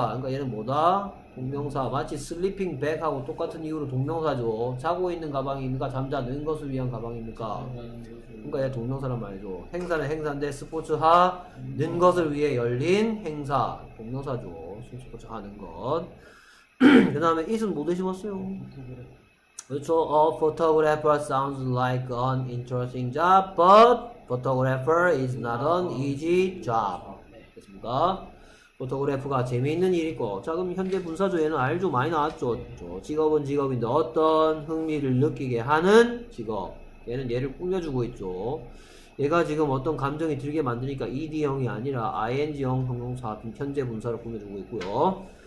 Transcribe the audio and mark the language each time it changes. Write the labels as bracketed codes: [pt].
[ko] 그러니까 얘는 뭐다? 동명사. 마치 슬리핑 백하고 똑같은 이유로 동명사죠. 자고 있는 가방입니까? 잠자는 것을 위한 가방입니까? 그러니까 얘 동명사란 말이죠. 행사는 행사인데 스포츠 하는 것을 위해 열린 행사. 동명사죠. 스포츠 하는 것. 그다음에 it은 뭐 되시겠어요? 그렇죠. [en] A photographer sounds like an interesting job, but photographer is not an easy job. [ko] 됐습니다. 포토그래프가 재미있는 일이고, 자 그럼 현재 분사조에는 알죠 많이 나왔죠. 저 직업은 직업인데 어떤 흥미를 느끼게 하는 직업. 얘는 얘를 꾸며주고 있죠. 얘가 지금 어떤 감정이 들게 만드니까 ed형이 아니라 ing형 형용사 현재 분사를 꾸며주고 있고요.